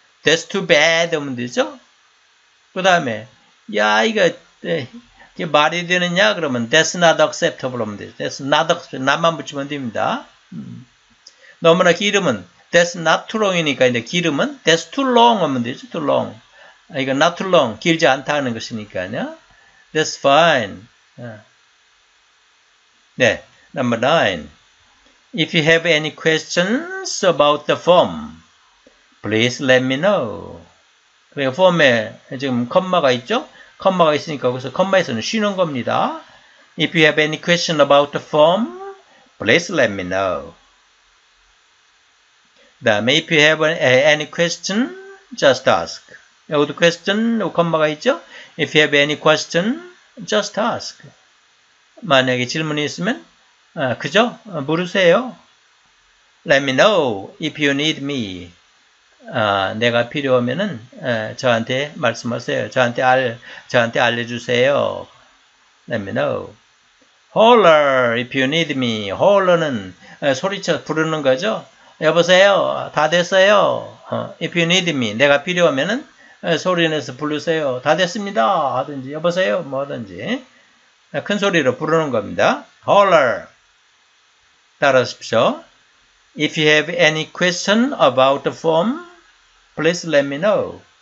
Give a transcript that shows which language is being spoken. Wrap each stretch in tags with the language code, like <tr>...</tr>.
<en>That's too bad</en> <ko>하면 되죠. 그 다음에 야 이게 말이 되느냐 그러면</ko> <en>That's not acceptable</en> <ko>하면 되죠. That's not acceptable. 나만 붙이면 됩니다. 너무나 길으면</ko> <en>That's not too long</en> <ko>이니까 이제 길으면</ko> <en>That's too long</en> <ko>하면 되죠. Too long. 이거 not too long. 길지 않다 하는 것이니까요.</ko> <en>That's fine.</en> <ko>네.</ko> <en>Number 9. If you have any questions about the form, Please let me know.</en> <ko>그러니까 form에 지금 컴마가 있죠? 컴마가 있으니까 거기서 컴마에서는 쉬는 겁니다.</ko> <en>If you have any question about the form, please let me know.</en> <ko>다음에</ko> <en>if you have any question, just ask.</en> <ko>여기도 question, 컴마가 있죠?</ko> <en>If you have any question, just ask.</en> <ko>만약에 질문이 있으면, 아, 그죠? 물으세요.</ko> <en>Let me know if you need me.</en> <ko>아, 내가 필요하면은 에, 저한테 말씀하세요. 저한테 알려주세요.</ko> <en>Let me know. Holler if you need me.</en> <ko>Holler는 소리쳐 부르는 거죠. 여보세요. 다 됐어요.</ko> <en>If you need me.</en> <ko>내가 필요하면은 소리내서 부르세요. 다 됐습니다. 하든지 여보세요. 뭐든지 큰 소리로 부르는 겁니다. Holler. 따라하십시오.</ko> <en>If you have any question about the form, please let me know.</en>